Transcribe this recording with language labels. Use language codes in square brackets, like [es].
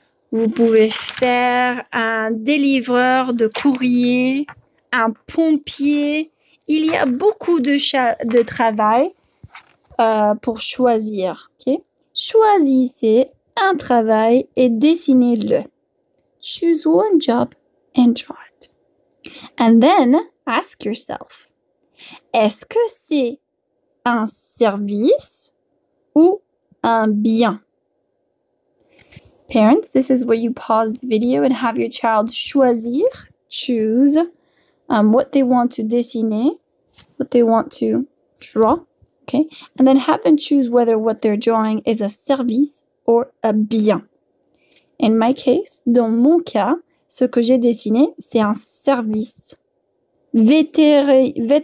[fr] Vous pouvez faire un délivreur de courrier, un pompier. Il y a beaucoup de travail. Pour choisir, ok? Choisissez un travail et dessinez-le. [en] Choose one job and draw it. And then ask yourself, [fr] est-ce que c'est un service ou un bien? [en] Parents, this is where you pause the video and have your child choisir, choose what they want to dessiner, what they want to draw. Okay? And then have them choose whether what they're drawing is a service or a bien. In my case, [fr] dans mon cas, ce que j'ai dessiné, c'est un service vétérinaire.